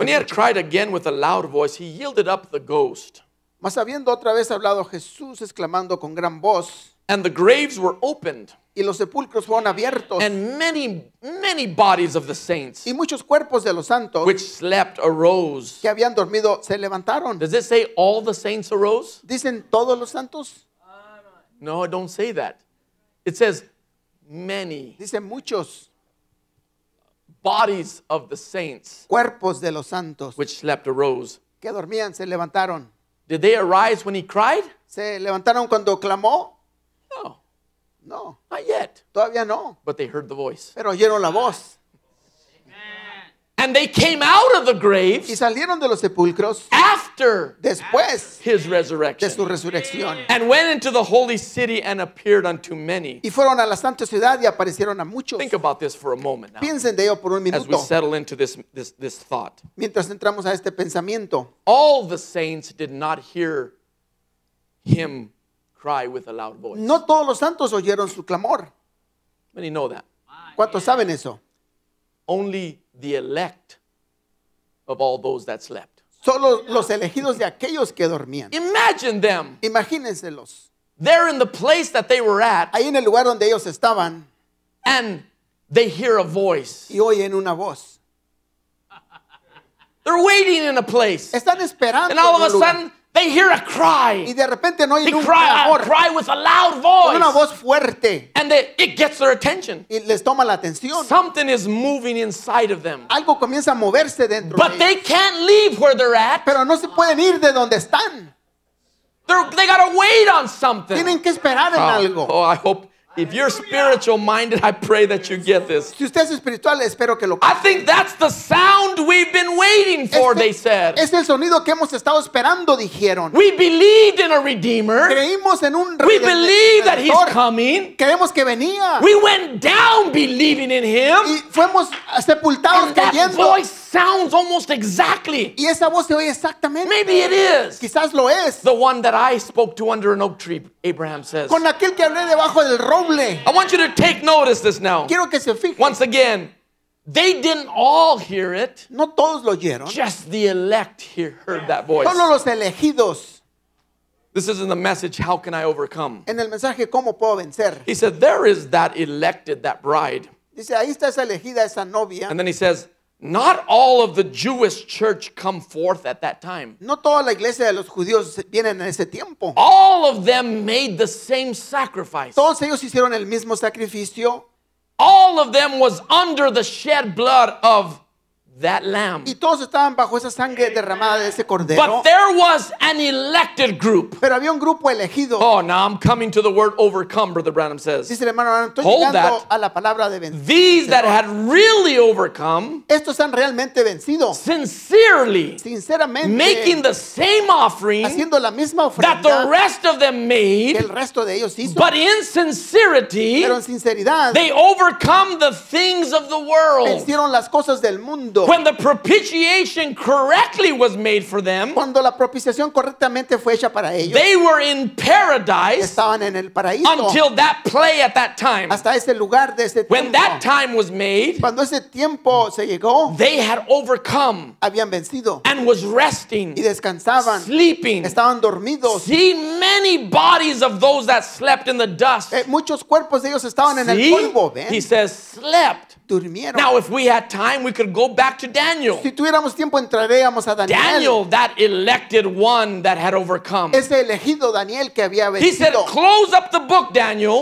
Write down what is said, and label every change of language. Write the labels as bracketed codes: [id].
[en] When he had cried again with a loud voice, he yielded up the ghost. [es] Mas habiendo otra vez hablado Jesús exclamando con gran voz. [en] And the graves were opened. [es] Y los sepulcros fueron abiertos. [en] And many bodies of the saints. [es] Y muchos cuerpos de los santos. [en] Which slept arose. [es] Que habían dormido se levantaron. [en] Does it say all the saints arose? [es] Dicen todos los santos. [en] No, don't say that. It says many. [es] Dice muchos. [en] Bodies of the saints. [es] Cuerpos de los santos. [en] Which slept arose. [es] Que dormían se levantaron. [en] Did they arise when he cried? [es] Se levantaron cuando clamó. [en] No. [es] No. [en] Not yet. [es] Todavía no. [en] But they heard the voice. [es] Pero oyeron la voz. [en] And they came out of the graves. [es] Y salieron de los sepulcros. [en] After. [es] Después. [en] His resurrection. [es] De su resurrección. [en] And went into the holy city and appeared unto many. [es] Y fueron a la santa ciudad y aparecieron a muchos. [en] Think about this for a moment now. [es] Piensen de ello por un minuto. [en] As we settle into this thought. [es] Mientras entramos a este pensamiento. [en] All the saints did not hear him cry with a loud voice. [es] No todos los santos oyeron su clamor. [en] Many know that. [es] ¿Cuántos saben eso? [en] Only the elect of all those that slept. [es] Solo los elegidos de aquellos que dormían. [en] Imagine them. [es] Imagínenselos. [en] They're in the place that they were at. [es] Ahí en el lugar donde ellos estaban. [en] And they hear a voice. [es] Y oyen una voz. [en] They're waiting in a place. [es] Están esperando. [en] And all of a sudden, they hear a cry. [es] Y de repente no oyen un clamor. [en] They cry with a loud voice. [es] Con una voz fuerte. [en] And it gets their attention. [es] Y les toma la atención. [en] Something is moving inside of them. [es] Algo comienza a moverse dentro de ellos. [en] But they can't leave where they're at. [es] Pero no se pueden ir de donde están. [en] They gotta wait on something. [es] Tienen que esperar en algo. [en] Oh, I hope. If you're spiritual minded, I pray that you get this. [es] Si usted es espiritual, espero que lo [en] I think that's the sound we've been waiting for, they said. [es] Es el sonido que hemos estado esperando, dijeron. [en] We believed in a Redeemer. [es] Creímos en un [en] we believe that he's coming. [es] Creemos que venía. [en] We went down believing in him. [es] Y fuimos sepultados creyendo. [en] That voice sounds almost exactly. [es] Y esa voz se oye exactamente. [en] Maybe it is. [es] Quizás lo es. [en] The one that I spoke to under an oak tree, Abraham says. [es] Con aquel que hablé debajo del roble. [en] I want you to take notice this now. [es] Quiero que se fije. [en] Once again, they didn't all hear it. [es] No todos lo oyeron. [en] Just the elect heard that voice. [es] Solo los elegidos. [en] This is in the message, how can I overcome? [es] En el mensaje, ¿cómo puedo vencer? [en] He said, there is that elected, that bride. [es] Dice, ahí está esa elegida, esa novia. [en] And then he says, not all of the Jewish church come forth at that time. [es] No toda la iglesia de los judíos vienen en ese tiempo. [en] All of them made the same sacrifice. [es] Todos ellos hicieron el mismo sacrificio. [en] All of them was under the shed blood of that lamb. [es] Y todos estaban bajo esa sangre derramada de ese cordero. [en] But there was an elected group. [es] Pero había un grupo elegido. [en] Oh, now I'm coming to the word overcome, Brother Branham says. [es] Dice el hermano Branham, estoy llegando a la palabra de vencer. [en] These that had really overcome. [es] Estos han realmente vencido. [en] Sincerely. [es] Sinceramente. [en] Making the same offering. [es] Haciendo la misma ofrenda. [en] That the rest of them made. [es] Que el resto de ellos hizo. [en] But in sincerity. [es] Pero en sinceridad. [en] They overcome the things of the world. [es] Vencieron las cosas del mundo. [en] When the propitiation correctly was made for them, [es] cuando la propiciación correctamente fue hecha para ellos, [en] they were in paradise. [es] Estaban en el paraíso. [en] Until that play at that time, [es] hasta ese lugar de ese tiempo. [en] When that time was made, [es] cuando ese tiempo se llegó, [en] they had overcome. [es] Habían vencido. [en] And was resting. [es] Y descansaban. [en] Sleeping. [es] Estaban dormidos. [en] See many bodies of those that slept in the dust. [es] Muchos cuerpos de ellos estaban en el polvo. Ven. [en] He says, slept. [es] Durmieron. [en] Now, if we had time, we could go back to Daniel. [es] Si tuviéramos tiempo, entraríamos a Daniel. [en] Daniel, that elected one that had overcome. [es] Ese elegido Daniel que había vencido. [en] He said, close up the book, Daniel.